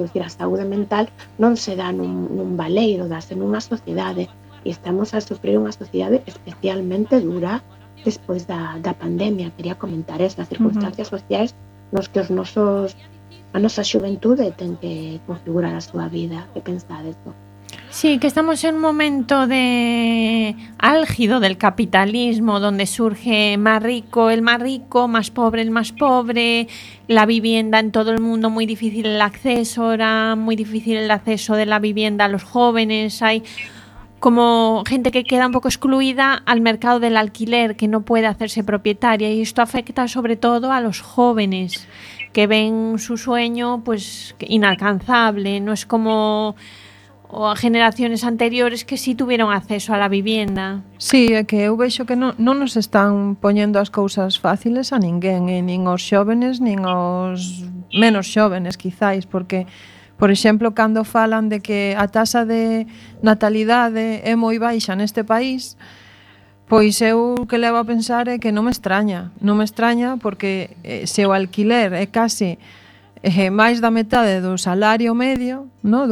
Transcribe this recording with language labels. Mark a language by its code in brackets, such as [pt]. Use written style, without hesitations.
[gl] Quero dicir, a saúde mental non se dá nun baleiro, dáse nunha sociedade, e estamos a sufrir unha sociedade especialmente dura despois da pandemia. Quería comentar esas circunstancias sociais nos que os nosos a nosa xuventude ten que configurar a súa vida. Que pensades? [es] Sí, que estamos en un momento de álgido del capitalismo, donde surge más rico el más rico, más pobre el más pobre, la vivienda en todo el mundo muy difícil el acceso, era muy difícil el acceso de la vivienda a los jóvenes, hay como gente que queda un poco excluida al mercado del alquiler, que no puede hacerse propietaria, y esto afecta sobre todo a los jóvenes, que ven su sueño pues inalcanzable. No es como o a generaciones anteriores que sí tuvieron acceso a la vivienda. [gl] Sí, é que eu vexo que non nos están poñendo as cousas fáciles a ninguén, nin os xóvenes, nin os menos xóvenes, quizáis, porque, por exemplo, cando falan de que a tasa de natalidade é moi baixa neste país, pois eu que levo a pensar é que non me extraña porque se o alquiler é case máis da metade do salario medio, ¿no?